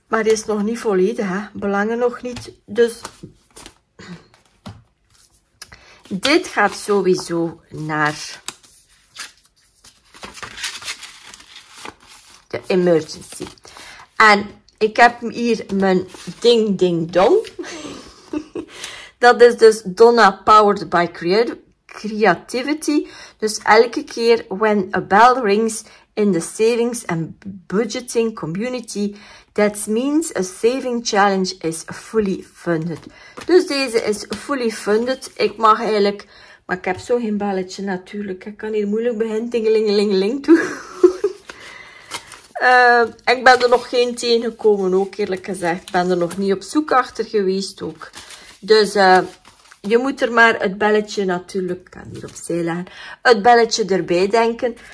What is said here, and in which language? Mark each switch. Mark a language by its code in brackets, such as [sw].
[nl] Maar het is nog niet volledig, hè? Belangen nog niet. Dus dit gaat sowieso naar de emergency. En ik heb hier mijn ding ding dong. Dat is dus Donna Powered by Creativity. Dus elke keer [en] when a bell rings in the savings and budgeting community, that means a saving challenge is fully funded. [nl] Dus deze is [en] fully funded. [nl] Ik mag eigenlijk, maar ik heb zo geen belletje natuurlijk. Ik kan hier moeilijk beginnen tingelingelingeling doen. Ik ben er nog geen tegengekomen ook, eerlijk gezegd. Ik ben er nog niet op zoek achter geweest ook. Dus je moet er maar het belletje natuurlijk, ik kan hier opzij leggen, het belletje erbij denken.